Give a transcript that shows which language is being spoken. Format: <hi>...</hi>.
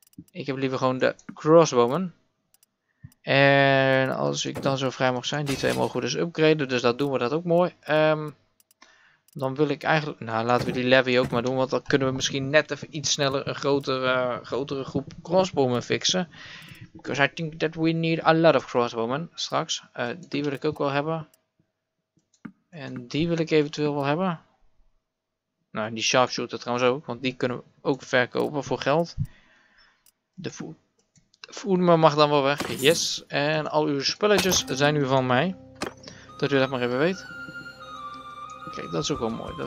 <nl>Ik heb liever gewoon de crossbowman. En als ik dan zo vrij mag zijn, die twee mogen we dus upgraden, dus dat doen we dat ook mooi. Dan wil ik eigenlijk, nou laten we die levy ook maar doen, want dan kunnen we misschien net even iets sneller een grotere groep crossbowmen fixen.</nl> <en>Because I think that we need a lot of crossbowmen straks.</en> <nl>Die wil ik ook wel hebben. En die wil ik eventueel wel hebben. Nou, die sharpshooter trouwens ook, want die kunnen we ook verkopen voor geld. Voedmer mag dan wel weg. Yes. En al uw spelletjes zijn nu van mij. Dat u dat maar even weet. Kijk, dat is ook wel mooi.</nl>